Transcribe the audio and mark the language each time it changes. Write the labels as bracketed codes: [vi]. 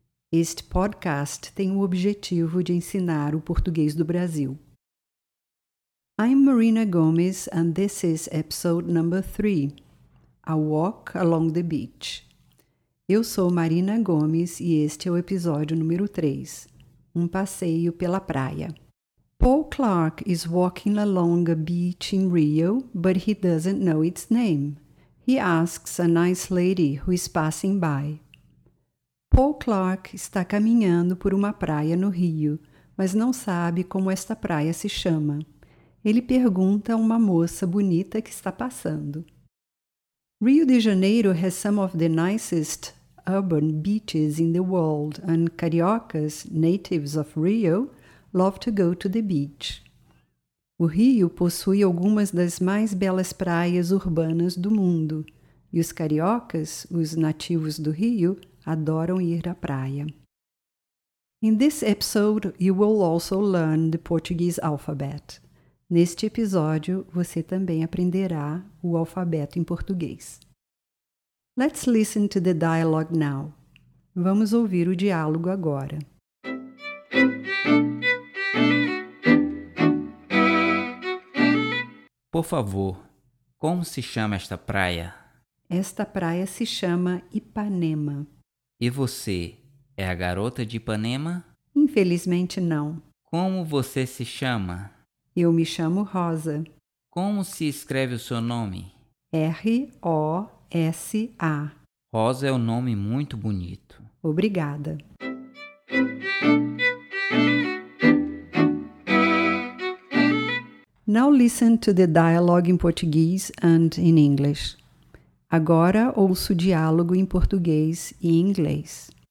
[pt] Este podcast tem o objetivo de ensinar o português do Brasil. [en] I'm Marina Gomes and this is episode number 3, A Walk Along the Beach. [pt] Eu sou Marina Gomes e este é o episódio número 3, Um Passeio pela Praia. [en] Paul Clark is walking along a beach in Rio, but he doesn't know its name. He asks a nice lady who is passing by. [pt] Paul Clark está caminhando por uma praia no Rio, mas não sabe como esta praia se chama. Ele pergunta a uma moça bonita que está passando. [en] Rio de Janeiro has some of the nicest urban beaches in the world, and cariocas, natives of Rio, love to go to the beach. [pt] O Rio possui algumas das mais belas praias urbanas do mundo, e os cariocas, os nativos do Rio, adoram ir à praia. [en] In this episode, you will also learn the Portuguese alphabet. [pt] Neste episódio, você também aprenderá o alfabeto em português. [en] Let's listen to the dialogue now. [pt] Vamos ouvir o diálogo agora. Por favor, como se chama esta praia? Esta praia se chama Ipanema. E você é a garota de Ipanema? Infelizmente não. Como você se chama? Eu me chamo Rosa. Como se escreve o seu nome? R-O-S-A. Rosa é um nome muito bonito. Obrigada. [en] Now listen to the dialogue in Portuguese and in English. [pt] Agora ouço o diálogo em português e inglês.